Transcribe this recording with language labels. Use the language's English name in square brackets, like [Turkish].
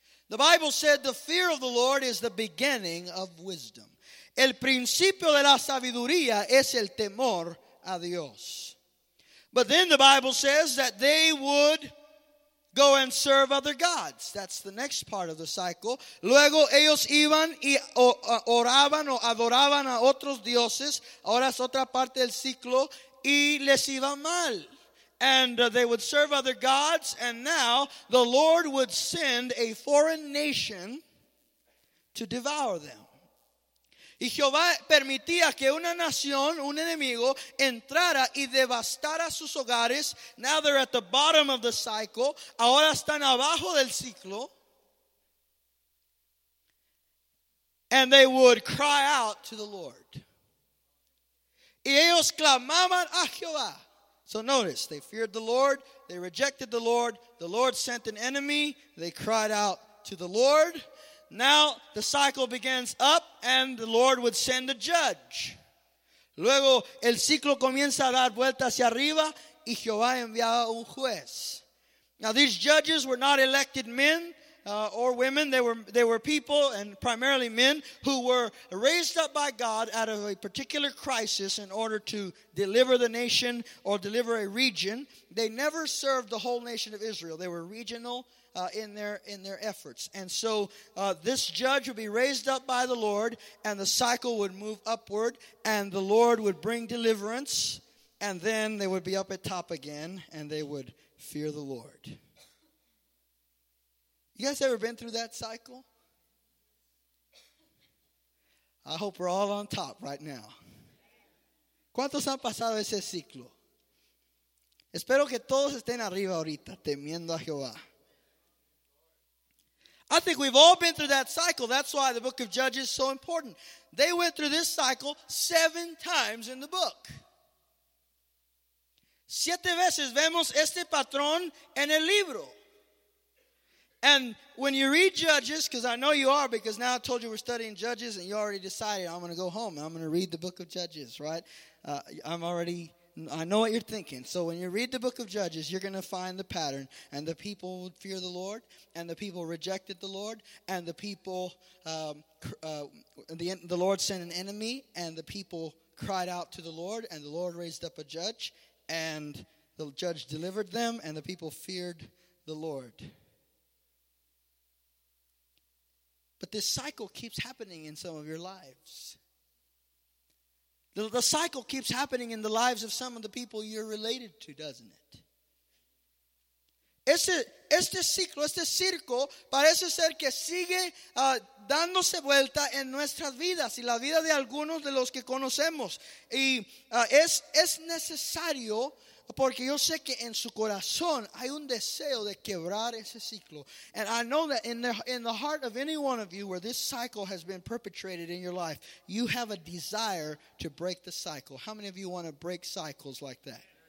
[English] The Bible said the fear of the Lord is the beginning of wisdom. [Spanish] El principio de la sabiduría es el temor a Dios. [English] But then the Bible says that they would go and serve other gods. That's the next part of the cycle. [Spanish] Luego ellos iban y oraban o adoraban a otros dioses. Ahora es otra parte del ciclo. Y les iba mal. [English] And they would serve other gods. And now the Lord would send a foreign nation to devour them. [Spanish] Y Jehová permitía que una nación, un enemigo, entrara y devastara sus hogares. [English] Now they're at the bottom of the cycle. [Spanish] Ahora están abajo del ciclo. [English] And they would cry out to the Lord. [Spanish] Y ellos clamaban a Jehová. [English] So notice, they feared the Lord. They rejected the Lord. The Lord sent an enemy. They cried out to the Lord. Now the cycle begins up and the Lord would send a judge. Luego el ciclo comienza a dar vuelta hacia arriba y Jehová enviaba un juez. Now these judges were not elected men or women. They were people and primarily men who were raised up by God out of a particular crisis in order to deliver the nation or deliver a region. They never served the whole nation of Israel. They were regional in their efforts. And so this judge would be raised up by the Lord, and the cycle would move upward, and the Lord would bring deliverance, and then they would be up at top again, and they would fear the Lord. You guys ever been through that cycle? I hope we're all on top right now. [Spanish] ¿Cuántos han pasado ese ciclo? Espero que todos estén arriba ahorita, temiendo a Jehová. [English] I think we've all been through that cycle. That's why the book of Judges is so important. They went through this cycle seven times in the book. [Spanish] Siete veces vemos este patrón en el libro. [English] And when you read Judges, because I know you are, because now I told you we're studying Judges, and you already decided, I'm going to go home, and I'm going to read the book of Judges, right? I know what you're thinking. So when you read the book of Judges, you're going to find the pattern. And the people would fear the Lord, and the people rejected the Lord, and the people, the Lord sent an enemy, and the people cried out to the Lord, and the Lord raised up a judge, and the judge delivered them, and the people feared the Lord. But this cycle keeps happening in some of your lives. The cycle keeps happening in the lives of some of the people you're related to, doesn't it? [Spanish] Este ciclo, este circo, parece ser que sigue dándose vuelta en nuestras vidas y la vida de algunos de los que conocemos. Y es necesario porque yo sé que en su corazón hay un deseo de quebrar ese ciclo. [English] And I know that in the heart of any one of you where this cycle has been perpetrated in your life, you have a desire to break the cycle. How many of you want to break cycles like that?